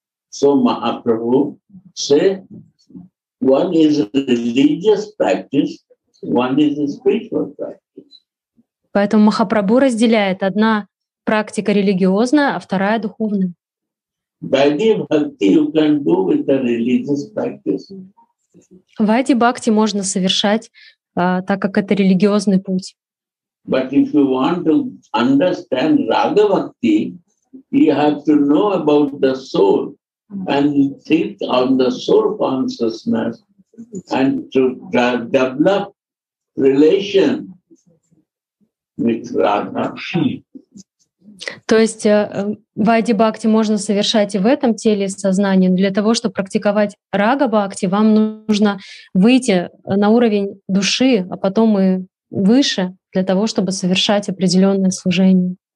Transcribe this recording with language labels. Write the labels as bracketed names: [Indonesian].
[English] So Mahaprabhu say one is religious practice, one is a spiritual practice. [Russian] Поэтому Махапрабху разделяет: одна практика религиозная, а вторая духовная. [English] Vaidhi bhakti you can do with a religious practice. [Russian] Vaidhi bhakti можно совершать, так как это религиозный путь. [English] But if you want to understand raga bhakti, you have to know about the soul. And think on the soul consciousness and to develop relation with Radha. [Russian] То есть вайди-бхакти можно совершать и в этом теле сознания, но для того, чтобы практиковать рага-бхакти, вам нужно выйти на уровень души, а потом и выше, для того, чтобы совершать определенное служение.